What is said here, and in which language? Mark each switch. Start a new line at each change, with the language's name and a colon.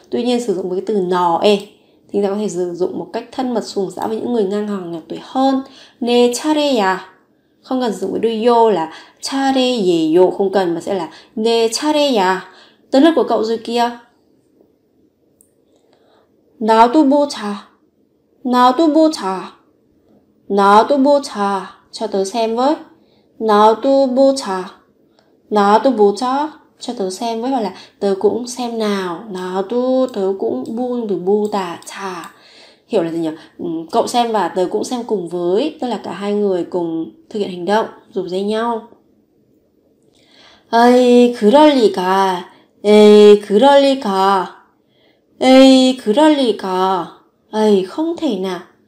Vietnamese: Tuy nhiên sử dụng với cái từ nò e thì ta có thể sử dụng một cách thân mật sùng sã với những người ngang hàng nhỏ tuổi hơn.
Korean: Nê chare ya,
Vietnamese: không cần sử dụng với đôi yo là chare yeo, không cần, mà sẽ là nê chare ya, tới lượt của cậu rồi kìa.
Korean: 나도 보자, 나도 보자, 나도 보자.
Vietnamese: Cho tớ xem với.
Korean: 나도 보자, 나도 보자.
Vietnamese: Cho tớ xem với, hoặc là tớ cũng xem nào.
Korean: 나도,
Vietnamese: tớ cũng, 보, từ 보다, 자. hiểu là gì nhỉ? Cậu xem và tớ cũng xem cùng với, tức là cả hai người cùng thực hiện hành động, rủ dây nhau.
Korean: Ây, 그럴 리가. Ây, 그럴 리가. Ây, 그럴 리가.
Vietnamese: Ây, không thể nào.